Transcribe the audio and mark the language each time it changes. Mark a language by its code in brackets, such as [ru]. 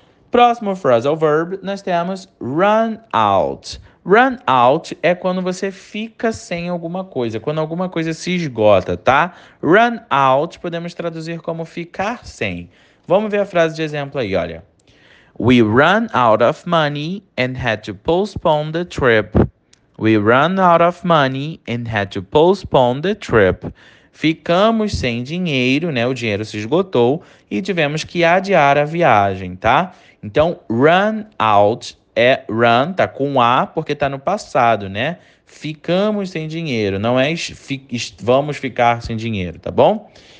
[pt] Próximo phrasal verb, nós temos run out. Run out é quando você fica sem alguma coisa se esgota, tá? Run out podemos traduzir como ficar sem. Vamos ver a frase de exemplo aí, olha. [en] We ran out of money and had to postpone the trip. We ran out of money and had to postpone the trip. [pt] Ficamos sem dinheiro, né? O dinheiro se esgotou e tivemos que adiar a viagem, tá? Então, run out é run, tá com A, porque tá no passado, né? Ficamos sem dinheiro, não é vamos ficar sem dinheiro, tá bom?